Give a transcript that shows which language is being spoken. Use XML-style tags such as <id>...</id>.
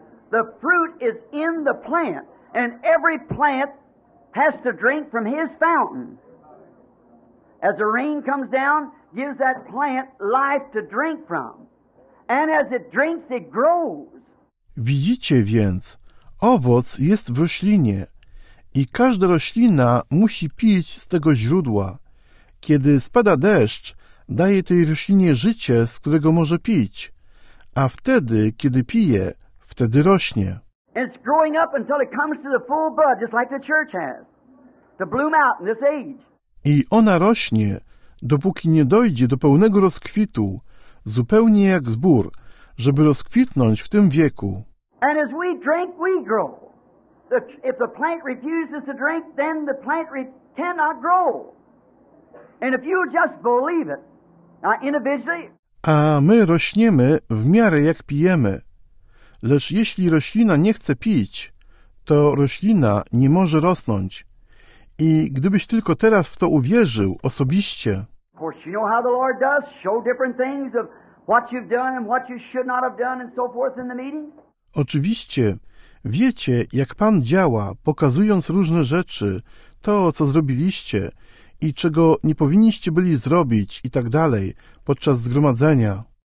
<en>The fruit is in the plant, and every plant has to drink from his fountain. As the rain comes down, gives that plant life to drink from. And as it drinks, it grows.</en> <pl>Widzicie więc, owoc jest w roślinie. I każda roślina musi pić z tego źródła. Kiedy spada deszcz, daje tej roślinie życie, z którego może pić. A wtedy, kiedy pije, wtedy rośnie.</pl> <en>It's growing up until it comes to the full bud, just like the church has, to bloom out in this age.</en> <pl>I ona rośnie, dopóki nie dojdzie do pełnego rozkwitu, zupełnie jak zbór, żeby rozkwitnąć w tym wieku.</pl> <en>And as we drink, we grow. If the plant refuses to drink, then the plant cannot grow. And if you just believe it, now individually.</en> <pl>A my rośniemy w miarę jak pijemy. Lecz jeśli roślina nie chce pić, to roślina nie może rosnąć. I gdybyś tylko teraz w to uwierzył osobiście.</pl> <en>Of course, you know how the Lord does. Show different things of what you've done and what you should not have done and so forth in the meeting.</en> <pl>Oczywiście. Wiecie, jak Pan działa, pokazując różne rzeczy, to, co zrobiliście i czego nie powinniście byli zrobić i tak dalej, podczas zgromadzenia.</pl>